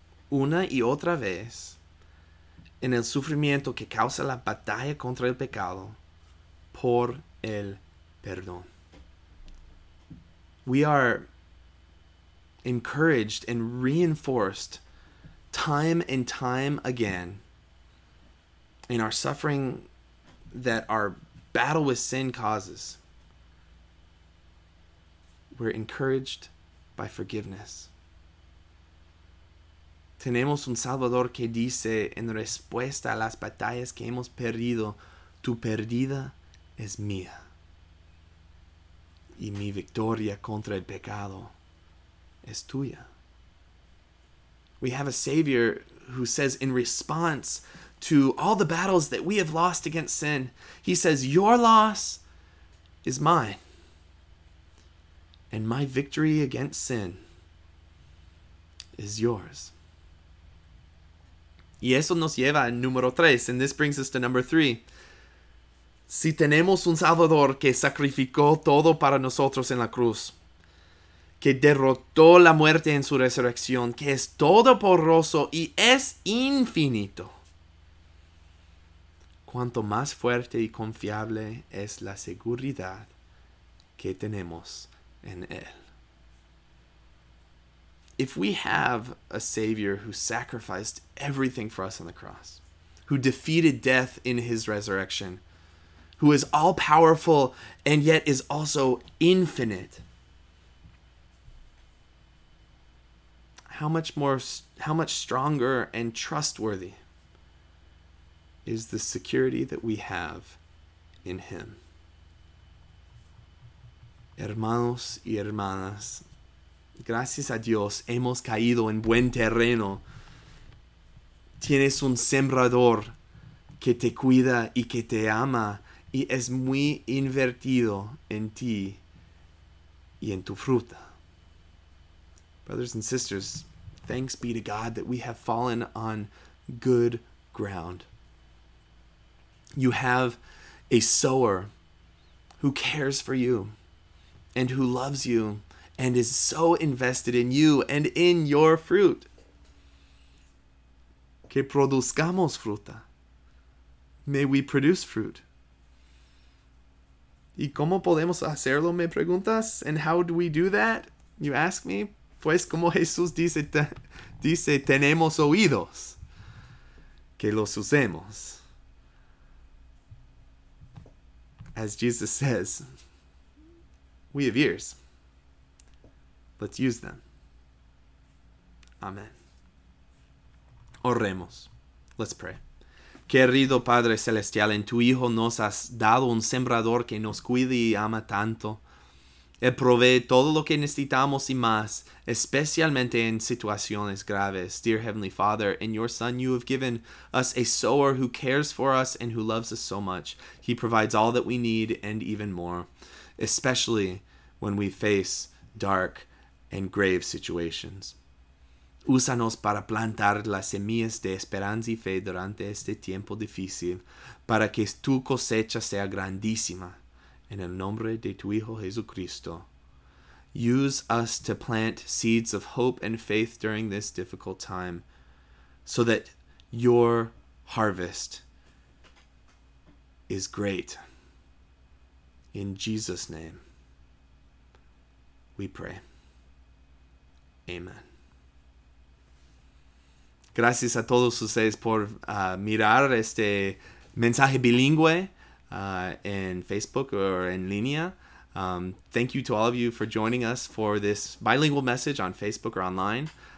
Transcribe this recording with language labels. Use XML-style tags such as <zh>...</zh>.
<es>una y otra vez en el sufrimiento que causa la batalla contra el pecado por el perdón.</es> <en>We are encouraged and reinforced time and time again in our suffering that our battle with sin causes. We're encouraged by forgiveness.</en> <es>Tenemos un Salvador que dice en respuesta a las batallas que hemos perdido, tu perdida es mía. Y mi victoria contra el pecado es tuya.</es> <en>We have a Savior who says in response to all the battles that we have lost against sin, he says, your loss is mine. And my victory against sin is yours.</en> <es>Y eso nos lleva al número 3.</es> <en>And this brings us to number 3.</en> <es>Si tenemos un Salvador que sacrificó todo para nosotros en la cruz, que derrotó la muerte en su resurrección, que es todopoderoso y es infinito, cuanto más fuerte y confiable es la seguridad que tenemos en Él.</es> <en>If we have a Savior who sacrificed everything for us on the cross, who defeated death in His resurrection, who is all-powerful and yet is also infinite, how much stronger and trustworthy is the security that we have in Him?</en> <es>Hermanos y hermanas, gracias a Dios hemos caído en buen terreno. Tienes un sembrador que te cuida y que te ama y es muy invertido en ti y en tu fruta.</es> <en>Brothers and sisters, thanks be to God that we have fallen on good ground. You have a sower who cares for you and who loves you and is so invested in you and in your fruit.</en> <es>Que produzcamos fruta.</es> <en>May we produce fruit.</en> <es>¿Y cómo podemos hacerlo, me preguntas?</es> <en>And how do we do that, you ask me?</en> <es>Pues como Jesús dice, dice, tenemos oídos, que los usemos.</es> <en>As Jesus says, we have ears, let's use them. Amen.</en> <es>Oremos.</es> <en>Let's pray.</en> <es>Querido Padre Celestial, en tu Hijo nos has dado un sembrador que nos cuida y ama tanto. Él provee todo lo que necesitamos y más, especialmente en situaciones graves.</es> <en>Dear Heavenly Father, in your Son you have given us a sower who cares for us and who loves us so much. He provides all that we need and even more, especially when we face dark and grave situations.</en> <es>Úsanos para plantar las semillas de esperanza y fe durante este tiempo difícil, para que tu cosecha sea grandísima. In el nombre de tu Hijo Jesucristo,</es> <en>use us to plant seeds of hope and faith during this difficult time so that your harvest is great. In Jesus' name, we pray. Amen.</en> <es>Gracias a todos ustedes por mirar este mensaje bilingüe.</es> <en>In Facebook or in línea. Thank you to all of you for joining us for this bilingual message on Facebook or online.</en>